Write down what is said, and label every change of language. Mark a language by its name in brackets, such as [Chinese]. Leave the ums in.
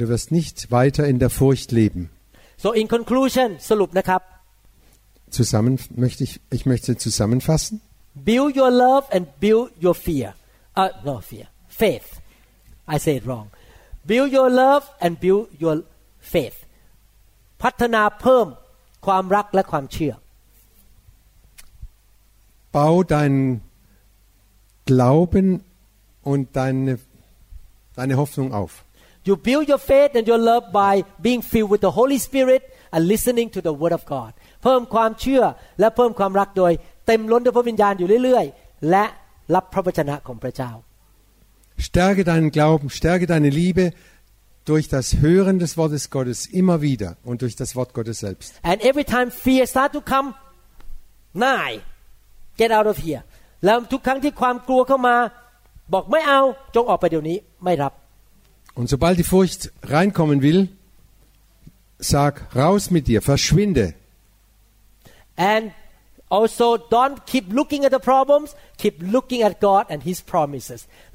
[German] du wirst nicht weiter in der Furcht leben. [English] So in conclusion, [Thai] สรุปนะครับ [German] Zusammen möchte ich ich möchte zusammenfassen. [English] Build your love and build your fear. Ah, uh, no fear, faith. I say it wrong. Build your love and build your faith. [Thai] พัฒนาเพิ่มความรักและความเชื่อ [German] Bau deinen Glauben und deine deine Hoffnung auf. [English] you build your faith and your love by being filled with the Holy Spirit and listening to the Word of God [Thai] เพิ่มความเชื่อและเพิ่มความรักโดยเต็มล้นด้วยพระวิญญาณอยู่เรื่อยๆ และรับพระวจนะของพระเจ้า [German] stärke deinen Glauben stärke deine Liebe durch das Hören des Wortes Gottes immer wieder und durch das Wort Gottes selbst [English] and every time fear start to come [German] nein [English] get out of here [Thai] แล้วทุกครั้งที่ความกลัวเข้ามา บอกไม่เอาจงออกไปเดี๋ยวนี้ไม่รับ [German] Und sobald die Furcht reinkommen will, sag raus mit dir, verschwinde. [English] Und also don't keep looking at the problems, keep looking at God and his promises.